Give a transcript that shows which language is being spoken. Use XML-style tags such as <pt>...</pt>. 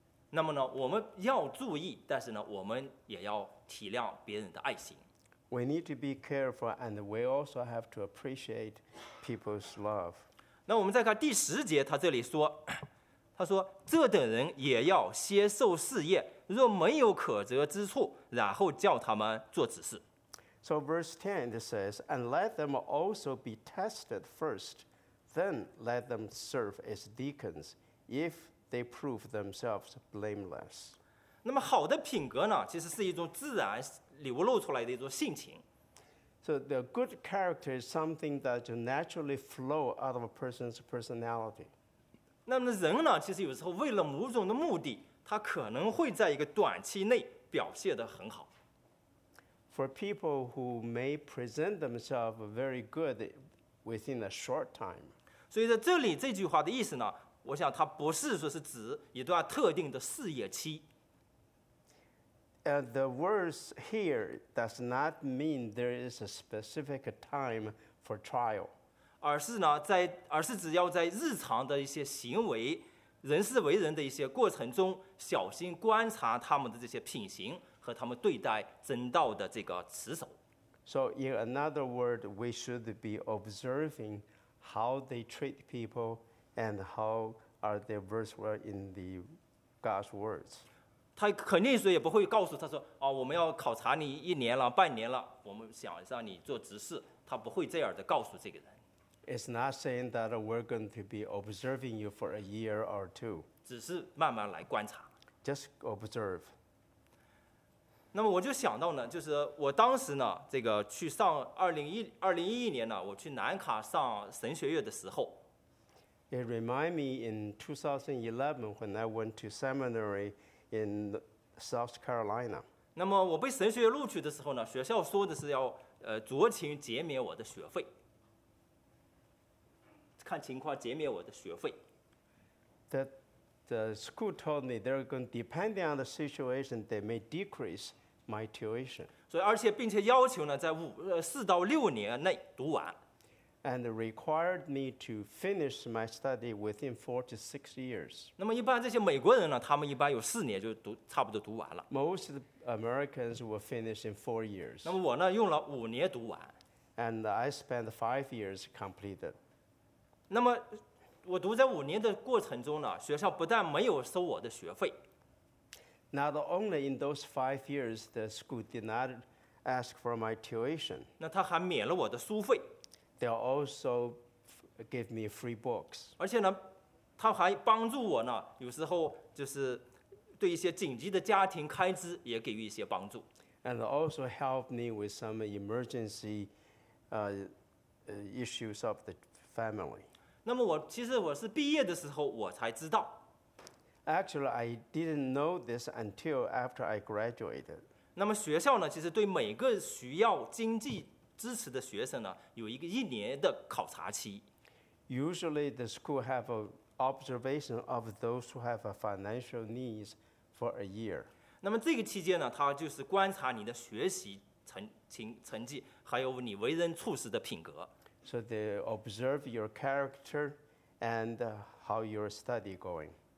<zh>那么呢，我们要注意，但是呢，我们也要体谅别人的爱心。</zh> <en>We need to be careful, and we also have to appreciate people's love.</en> <zh>那我们再看第十节，他这里说，他说这等人也要先受试验，若没有可责之处，然后叫他们做指示。</zh> <en>So verse 10 it says, and let them also be tested first. Then let them serve as deacons if they prove themselves blameless.</en> <zh>那么好的品格呢，其实是一种自然流露出来的一种性情。</zh> <en>So the good character is something that naturally flow out of a person's personality.</en> <zh>那么人呢，其实有时候为了某种的目的，他可能会在一个短期内表现得很好。</zh> <en>For people who may present themselves very good,Within a short time.</en> <zh>所以在这里这句话的意思呢，我想它不是说是指一段特定的试验期。</zh> <en>And the words here does not mean there is a specific time for trial.</en> <zh>而是只要在日常的一些行为、人事为人的一些过程中，小心观察他们的这些品行和他们对待真道的这个持守。</zh> <en>So in another word, we should be observing how they treat people and how are they versed in the God's words.</en> <zh>他肯定说也不会告诉他说、哦、我们要考察你一年了半年了，我们想让你做执事，他不会这样的告诉这个人。</zh> <en>It's not saying that we're going to be observing you for a year or two.</en> <zh>只是慢慢来观察。</zh> <en>Just observe.</en> <zh>那么我就想到呢，就是我当时呢，这个去上2011年呢，我去南卡上神学院的时候。</zh> <en>It reminds me in 2011 when I went to seminary in South Carolina.</en> <zh>那么我被神学院录取的时候呢，学校说的是要酌情减免我的学费，看情况减免我的学费。</zh> <en>The school told me they're going to, depending on the situation, they may decrease my tuition.</en> <zh>所以而且并且要求呢，在4到6年内读完。</zh> <en>And required me to finish my study within 4 to 6 years.</en> <zh>那么一般这些美国人呢，他们一般有4年就读，差不多读完了。</zh> <en>Most Americans will finish in 4 years.</en> <zh>那么我呢，用了5年读完。</zh> <en>And I spent 5 years completed.</en> <zh>那么。我读在5年的过程中呢，学校不但没有收我的学费。</zh> <en>Not only in those 5 years, the school did not ask for my tuition.</en> <zh>那他还免了我的书费。</zh> <en>They also gave me free books.</en> <zh>而且呢，他还帮助我呢，有时候就是对一些紧急的家庭开支也给予一些帮助。</zh> <en>And also helped me with some emergency, issues of the family.</en> <zh>那么我其实我是毕业的时候我才知道。</zh> <en>Actually, I didn't know this until after I graduated.</en> <zh>那么学校呢，其实对每个需要经济支持的学生呢，有一个1年的考察期。</zh> <en>Usually, the school have an observation of those who have a financial needs for a year.</en> <zh>那么这个期间呢，他就是观察你的学习成绩，还有你为人处事的品格。</zh> <en>So they observe your character and how your study going.</en>